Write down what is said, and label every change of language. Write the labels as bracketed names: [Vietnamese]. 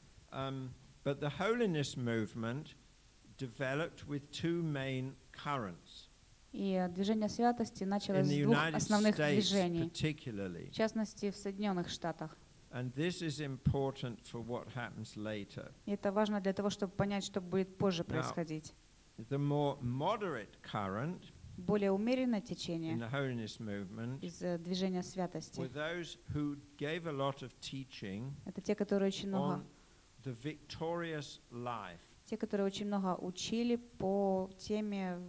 [English] But the holiness movement developed with two main currents. [Russian] И движение святости началось с двух основных движений, в частности в Соединенных Штатах. [English] And this is important for what happens later. [Russian] Это важно для того, чтобы понять, что будет позже происходить. [English] Now, the more moderate current, [Russian] более умеренное течение [English] in the holiness movement, [Russian] из движения святости, [English] were those who gave a lot of teaching, [Russian] это те, которые очень много, [English] on the victorious life, [Russian] те, которые очень много учили по теме,